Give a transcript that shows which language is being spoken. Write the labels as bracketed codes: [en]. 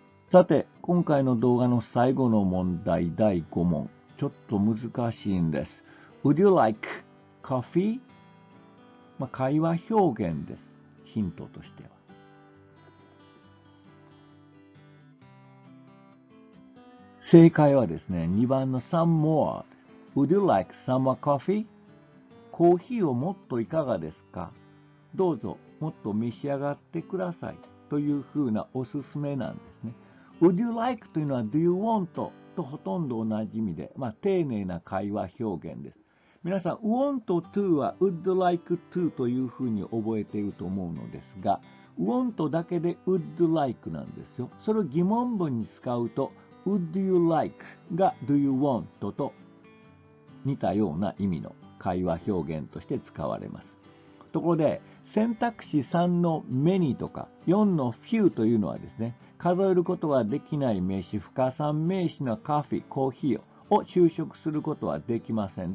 [ja] さて、今回の動画の最後の問題、第5問、ちょっと難しいんです。 [en] Would you like coffee? [ja] 会話表現です。ヒントとしては、正解はですね、2番の some more。 [en] Would you like some coffee? [ja] コーヒーをもっといかがですか?どうぞもっと召し上がってくださいというふうなおすすめなんですね。 [en] Would you like [ja] というのは [en] Do you want? [ja] とほとんど同じ意味で、丁寧な会話表現です。皆さん、want to は Would like to というふうに覚えていると思うのですが、want だけで Would like なんですよ。それを疑問文に使うと、 [en] Would you like [ja] が [en] Do you want? [ja] と似たような意味の会話表現として使われます。ところで、選択肢3の many とか4の few というのはですね、数えることができない名詞、不可算名詞の coffee、 コーヒーを修飾することはできません。